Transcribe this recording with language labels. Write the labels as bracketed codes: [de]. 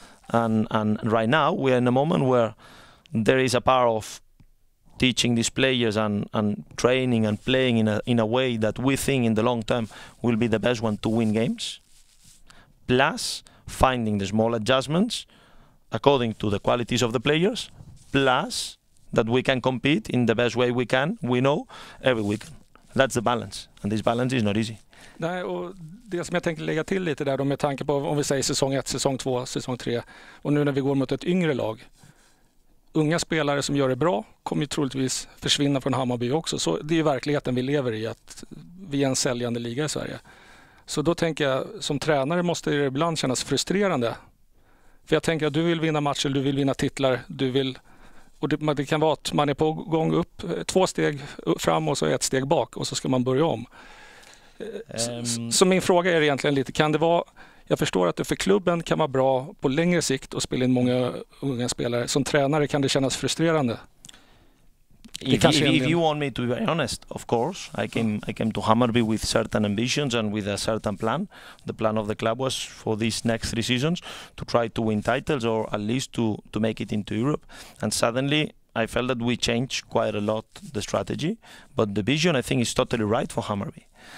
[en] And right now we are in a moment where there is a power of teaching these players and training and playing in a way that we think in the long term will be the best one to win games, plus finding the small adjustments according to the qualities of the players, plus that we can compete in the best way we can, we know, every week. That's the balance, and this balance is not easy. [sv] Nej, och det som jag tänker lägga till lite där då, med tanke på, om vi säger säsong 1, säsong 2, säsong 3, och nu när vi går mot ett yngre lag, unga spelare som gör det bra kommer ju troligtvis försvinna från Hammarby också. Så det är ju verkligheten vi lever i, att vi är en säljande liga i Sverige. Så då tänker jag, som tränare måste det ibland kännas frustrerande. För jag tänker att du vill vinna matcher, du vill vinna titlar, du vill... Och det kan vara att man är på gång upp 2 steg fram och så 1 steg bak, och så ska man börja om. Så min fråga är egentligen lite, kan det vara, jag förstår att det för klubben kan vara bra på längre sikt att spela in många unga spelare. Som tränare kan det kännas frustrerande. [en] If you want me to be honest, of course, I came to Hammarby with certain ambitions and with a certain plan. The plan of the club was for these next three seasons to try to win titles or at least to make it into Europe. And suddenly I felt that we changed quite a lot the strategy, but the vision I think is totally right for Hammarby.